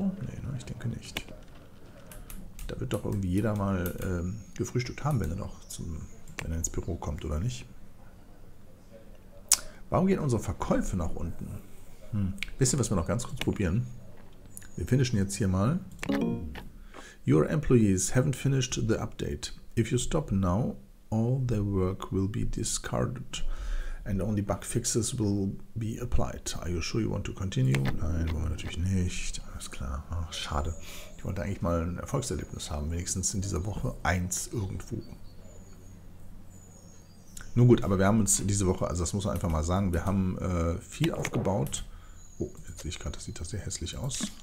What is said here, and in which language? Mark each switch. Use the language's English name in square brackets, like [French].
[German] Nee, ne, ich denke nicht. Da wird doch irgendwie jeder mal gefrühstückt haben, wenn er noch ins Büro kommt, oder nicht? Warum gehen unsere Verkäufe nach unten? Wisst ihr, was wir noch ganz kurz probieren? Wir finishen jetzt hier mal. [English] Your employees haven't finished the update. If you stop now, all their work will be discarded and only bug fixes will be applied. Are you sure you want to continue? [German] Nein, wollen wir natürlich nicht. Alles klar. Ach, schade. Ich wollte eigentlich mal ein Erfolgserlebnis haben. Wenigstens in dieser Woche eins irgendwo. Nun gut, aber wir haben uns diese Woche, also das muss man einfach mal sagen, wir haben viel aufgebaut. Oh, jetzt sehe ich gerade, das sieht doch sehr hässlich aus.